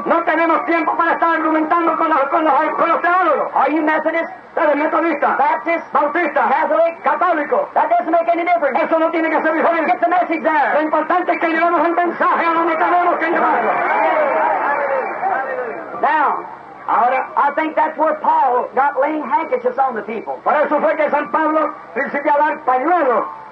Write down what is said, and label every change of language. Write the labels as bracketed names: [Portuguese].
[Spanish] No tenemos tiempo para estar argumentando con los teólogos. [English] Are you Methodist? [Spanish] ¿Eres metodista? [English] Baptist? [Spanish] Bautista? [English] Catholic? [Spanish] Católico? [English] That doesn't make any difference. [Spanish] Eso no tiene que ser diferente. [English] Get the message there. [Spanish] Lo importante es que llevemos el mensaje a donde tenemos que llevarlo. [English] Now. I think that's where Paul got laying handkerchiefs on the people. [Spanish] Por eso fue que San Pablo principió a dar pañuelos.